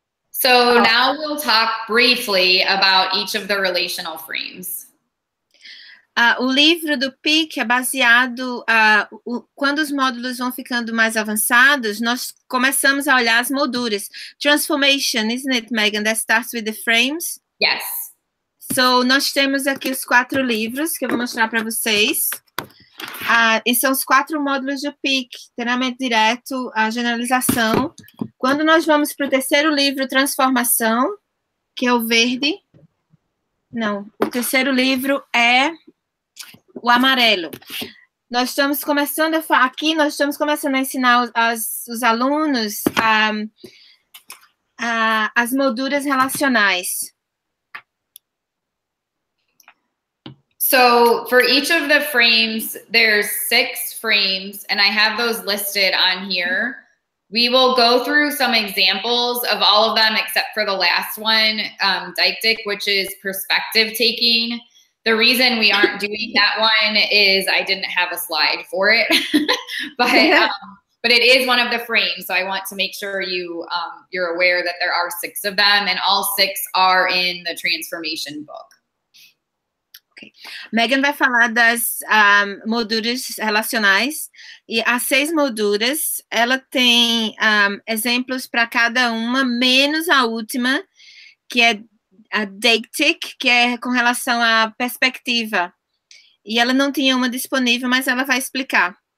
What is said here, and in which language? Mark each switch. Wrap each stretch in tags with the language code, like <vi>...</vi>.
<en>So now we'll talk briefly about each of the relational frames.</en> <pt>O livro do PIC é baseado, quando os módulos vão ficando mais avançados, nós começamos a olhar as molduras.</pt> <en>Transformation, isn't it, Megan? That starts with the frames? Yes.</en> <pt>So nós temos aqui os quatro livros que eu vou mostrar para vocês. E são os quatro módulos do PIC, treinamento direto, a generalização. Quando nós vamos para o terceiro livro, transformação, que é o verde. Não, o terceiro livro é o amarelo. Nós estamos começando, aqui nós estamos começando a ensinar os alunos as molduras relacionais.</pt> <en>So for each of the frames, there's six frames, and I have those listed on here. We will go through some examples of all of them except for the last one, deictic, which is perspective taking. The reason we aren't doing that one is I didn't have a slide for it, but it is one of the frames, so I want to make sure you, you're aware that there are six of them, and all six are in the transformation book. Okay.</en> <pt>Megan vai falar das molduras relacionais, e as seis molduras, ela tem exemplos para cada uma, menos a última, que é a deictic, que é com relação à perspectiva, e ela não tinha uma disponível, mas ela vai explicar.</pt>